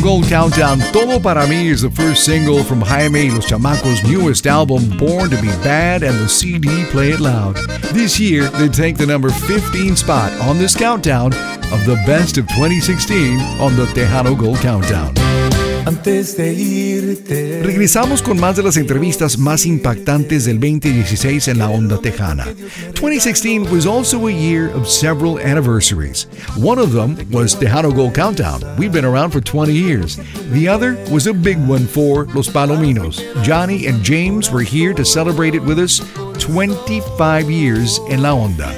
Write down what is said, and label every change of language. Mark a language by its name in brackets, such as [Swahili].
[English] Countdown, Todo Para Mí is the first single from Jaime Los Chamacos' newest album, Born to be Bad, and the CD Play It Loud. This year, they take the number 15 spot on this countdown of the best of 2016 on the Tejano Gold Countdown. [Spanish] Antes de irte. Regresamos con más de las entrevistas más impactantes del 2016 en La Onda Tejana. [English] 2016 was also a year of several anniversaries. One of them was Tejano Gold Countdown. We've been around for 20 years. The other was a big one for Los Palominos. Johnny and James were here to celebrate it with us. 25 years in La Onda.